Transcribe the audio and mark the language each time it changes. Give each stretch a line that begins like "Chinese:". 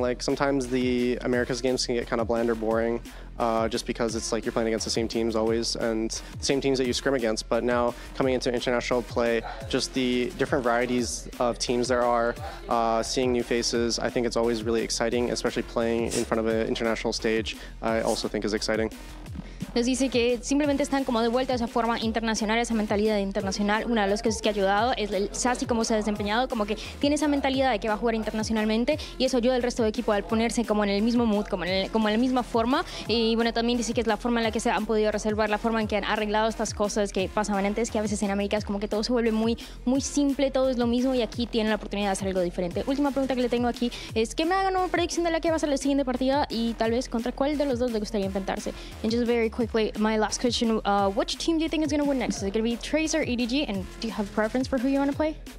English: Like, sometimes the America's games can get kind of bland or boring just because it's like you're playing against the same teams always and the same teams that you scrim against. But now coming into international play, just the different varieties of teams there are, seeing new faces, I think it's always really exciting, especially playing in front of an international stage, I also think is exciting.
Spanish: Nos dice que simplemente están como de vuelta a esa forma internacional, a esa mentalidad internacional. Una de las cosas que ha ayudado es el Sassy, cómo se ha desempeñado, como que tiene esa mentalidad de que va a jugar internacionalmente, y eso ayuda al resto del equipo al ponerse como en el mismo mood, como en la misma forma. Y bueno, también dice que es la forma en la que se han podido reservar, la forma en que han arreglado estas cosas que pasaban antes, que a veces en América es como que todo se vuelve muy, muy simple, todo es lo mismo, y aquí tienen la oportunidad de hacer algo diferente. Última pregunta que le tengo aquí es, ¿qué me hagan una predicción de la que va a ser la siguiente partida y tal vez contra cuál de los dos le gustaría enfrentarse?
English: And just very quick, wait, my last question, which team do you think is going to win next? Is it going to be Tracer, EDG, and do you have a preference for who you want to play?